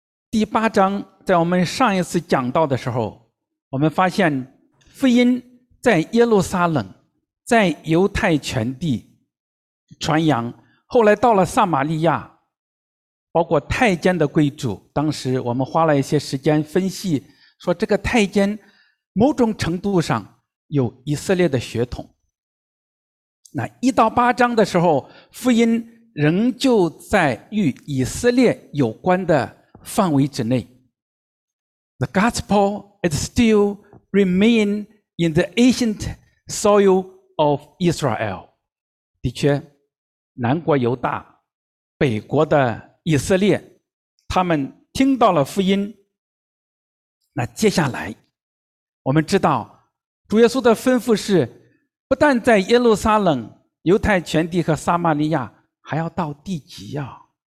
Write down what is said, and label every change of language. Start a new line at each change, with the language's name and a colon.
Chinese: 第八章，在我们上一次讲到的时候，我们发现福音在耶路撒冷，在犹太全地传扬，后来到了撒玛利亚，包括太监的贵族，当时我们花了一些时间分析，说这个太监某种程度上有以色列的血统。那一到八章的时候，福音仍旧在与以色列有关的范围之内。
English: The gospel is still remain in the ancient soil of Israel.
Chinese: 的确，南国犹大，北国的以色列，他们听到了福音。那接下来我们知道主耶稣的吩咐是不但在耶路撒冷、犹太全地和撒玛利亚，还要到地极啊。